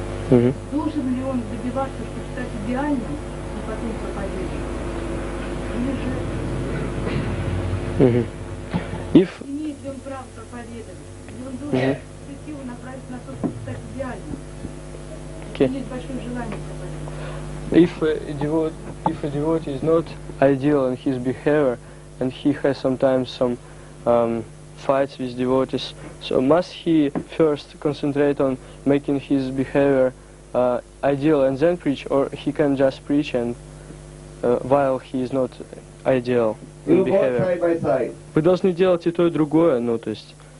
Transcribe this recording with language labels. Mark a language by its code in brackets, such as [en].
[ru] Должен ли он добиваться, чтобы стать идеальным, а потом проповедовать? Или же... Не имеет ли он право проповедовать? Или он должен силу направить на то, чтобы стать идеальным? [en] Okay. [ru] Или есть большое желание проповедовать? [en] If a devotee is not ideal in his behavior, and he has sometimes some fights with devotees, so must he first concentrate on making his behavior ideal and then preach, or he can just preach and while he is not ideal in we'll behavior? Both try by side. [ru] Вы должны делать и то, и другое, ну, то есть...